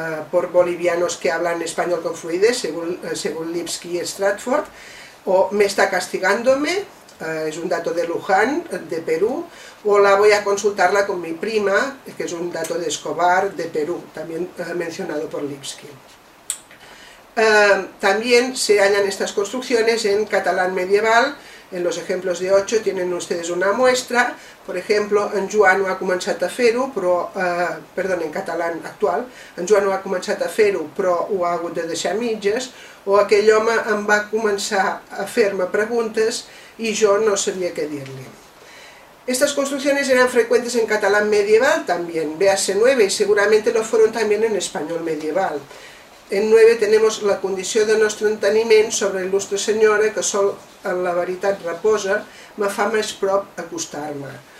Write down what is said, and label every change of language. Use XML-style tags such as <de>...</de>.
<es>por bolivianos que hablan español con fluidez, según Lipsky y Stratford, o me está castigándome, es un dato de Luján, de Perú, o la voy a consultarla con mi prima, que es un dato de Escobar, de Perú, también mencionado por Lipsky. También se hallan estas construcciones en catalán medieval. En los ejemplos de 8 tienen ustedes una muestra, por ejemplo,</es> <ca>en Joan ho ha començat a fer-ho, però,</ca> <es>perdón, en catalán actual,</es> <ca>en Joan ho ha començat a fer-ho, però ho ha hagut de deixar mitges, o aquell home em va començar a fer-me preguntes i jo no sabia què dir-li.</ca> <es>Estas construcciones eran frecuentes en catalán medieval también, véase 9, y seguramente lo fueron también en español medieval. En 9 tenemos</es> <ca>la condició de nostre enteniment sobre l'il·lustre senyora que sol en la veritat reposa, me fa més prop acostar-me.</ca>